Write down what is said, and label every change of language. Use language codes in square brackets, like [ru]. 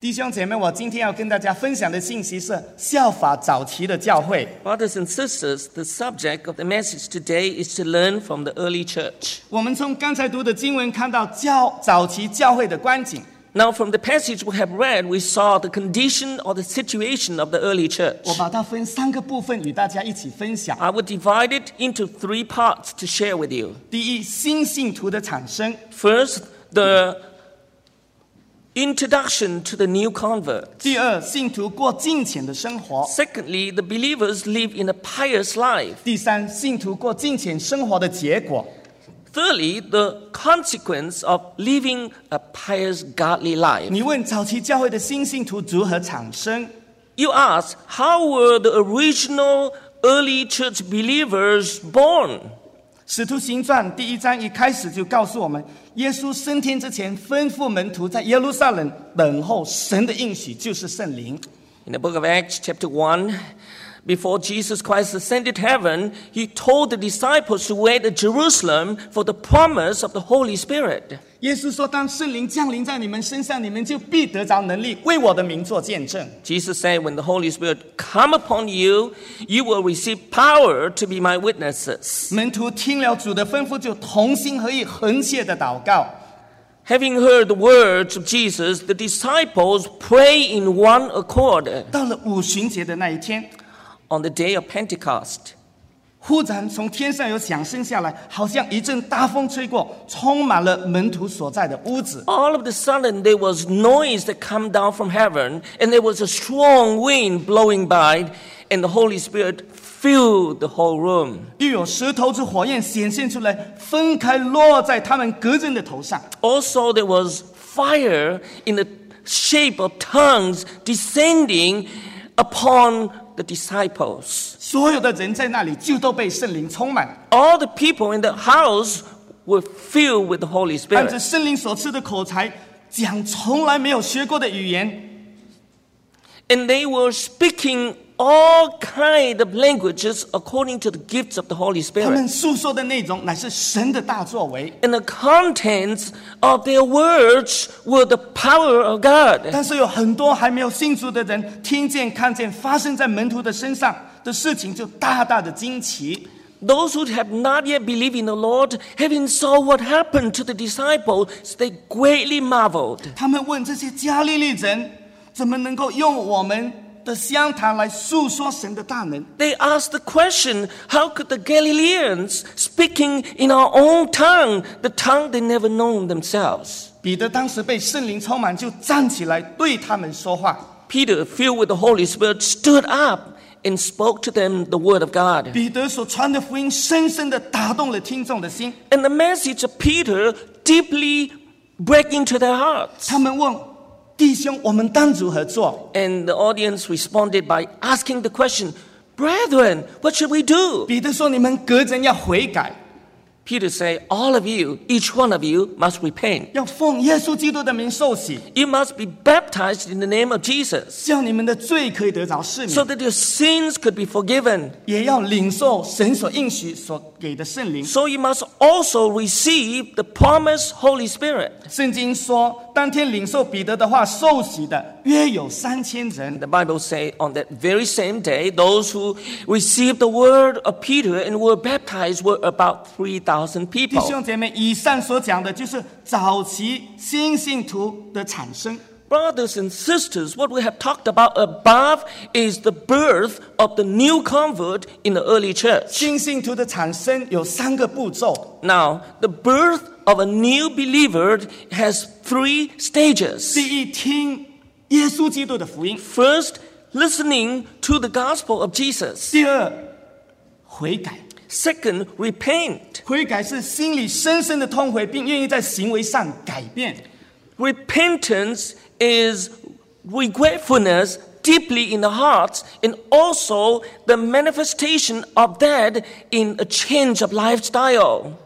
[zh] 姐妹，我今天要跟大家分享的信息是效法早期的教会。 [en] Brothers and sisters, the subject of the message today is to learn from the early church. [zh] 我们从刚才读的经文看到早期教会的光景。 [en] Now from the passage we have read, we saw the condition or the situation of the early church. [zh] 我把它分三个部分与大家一起分享。 [en] I would divide it into three parts to share with you. [zh] 第一，新信徒的产生。 [en] First, the Introduction to the new convert. [zh] 第二，信徒过敬虔的生活。 [en] Secondly, the believers live in a pious life. [zh] 第三，信徒过敬虔生活的结果。 [en] Thirdly, the consequence of living a pious, godly life. [zh] 你问早期教会的新信徒如何产生？ [en] You ask, how were the original early church believers born? [zh] 使徒行传第一章一开始就告诉我们耶稣升天之前吩咐门徒在耶路撒冷等候神的应许就是圣灵 [en] In the book of Acts chapter 1 Before Jesus Christ ascended heaven He told the disciples to wait at Jerusalem For the promise of the Holy Spirit [zh] 耶稣说当圣灵降临在你们身上你们就必得着能力为我的名做见证 [en] Jesus said when the Holy Spirit come upon you You will receive power to be my witnesses [zh] 门徒听了主的吩咐就同心合意恒切的祷告 [en] Having heard the words of Jesus The disciples pray in one accord [zh] 到了五旬节的那一天 [en] On the day of Pentecost [zh] 忽然从天上有响声下来好像一阵大风吹过充满了门徒所在的屋子 [en] All of a sudden there was noise that came down from heaven and there was a strong wind blowing by and the Holy Spirit filled the whole room [zh] 又有石头之火焰显现出来分开落在他们个人的头上 [en] Also there was fire in the shape of tongues descending upon the disciples. [zh] 所有的人在那里就都被圣灵充满。 [en] All the people in the house were filled with the Holy Spirit. [zh] 按着圣灵所赐的口才，讲从来没有学过的语言。 [en] And they were speaking. All kind of languages according to the gifts of the Holy Spirit. [zh] 他们述说的内容乃是神的大作为。 [en] And the contents of their words were the power of God. [zh] 但是有很多还没有信主的人，听见、看见发生在门徒的身上的事情，就大大的惊奇。 [en] Those who have not yet believed in the Lord, having saw what happened to the disciples, they greatly marveled. [zh] 他们问这些加利利人，怎么能够用我们？的香坛来述说神的大能。 [en] They asked the question, how could the Galileans speaking in our own tongue, the tongue they never known themselves? [zh] 彼得当时被圣灵充满，就站起来对他们说话。 [en] Peter, filled with the Holy Spirit, stood up and spoke to them the word of God. [zh] 彼得所传的福音深深地打动了听众的心。 [en] And the message of Peter deeply broke into their hearts. [zh] 他们问。弟兄，我们当如何做？ [en] And the audience responded by asking the question, Brethren, what should we do? [zh] 彼得说，你们个人要悔改。 [en] Peter said, All of you, each one of you, must repent. [zh] 要奉耶稣基督的名受洗。 [en] You must be baptized in the name of Jesus. [zh] 叫你们的罪可以得着赦免。 [en] So that your sins could be forgiven. [zh] 也要领受神所应许所给的圣灵。 [en] So you must also receive the promised Holy Spirit. [zh] 圣经说当天领受彼得的话受洗的约有三千人。 [en] The Bible says on that very same day, those who received the word of Peter and were baptized were about 3,000 people. [zh] 弟兄姐妹，以上所讲的就是早期新信徒的产生。 [en] Brothers and sisters, what we have talked about above is the birth of the new convert in the early church. [zh] 新信徒的产生有三个步骤。 [en] Now, the birth of a new believer has three stages. [zh] 第一，听耶稣基督的福音。 [en] First, listening to the gospel of Jesus. [zh] 第二，悔改。 [en] Second, repent. [zh] 悔改是心里深深的痛悔，并愿意在行为上改变。 [en] Repentance is regretfulness deeply in the hearts and also the manifestation of that in a change of lifestyle.